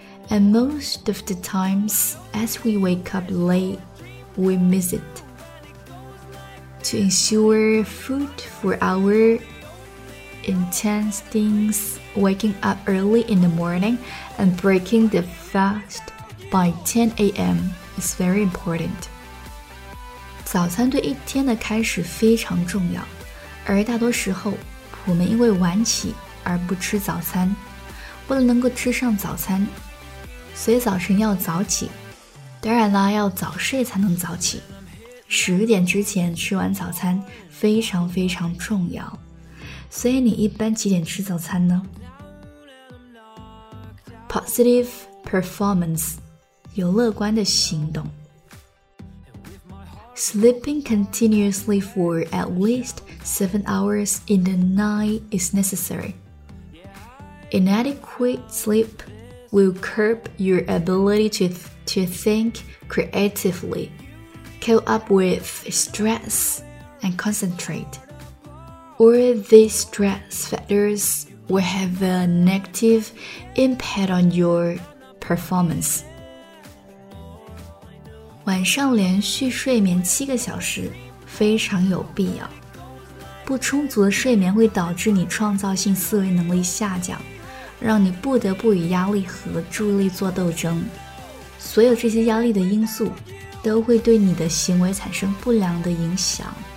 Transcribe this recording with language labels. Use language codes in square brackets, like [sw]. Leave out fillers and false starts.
[en] And most of the times as we wake up late, we miss it. To ensure food for our intense things, waking up early in the morning and breaking the fast by 10 a.m. It's very important. [zh] 早餐对一天的开始非常重要，而大多时候我们因为晚起而不吃早餐。为了能够吃上早餐，所以早晨要早起，当然啦，要早睡才能早起。十点之前吃完早餐非常非常重要。所以你一般几点吃早餐呢？ [en] Positive performance， [zh] 有乐观的行动。 [en] Sleeping continuously for at least 7 hours in the night is necessary. Inadequate sleep will curb your ability to think creatively, cope up with stress and concentrate. All these stress factors will have a negative impact on your performance. [zh] 晚上连续睡眠七个小时非常有必要。不充足的睡眠会导致你创造性思维能力下降，让你不得不与压力和注意力做斗争。所有这些压力的因素都会对你的行为产生不良的影响。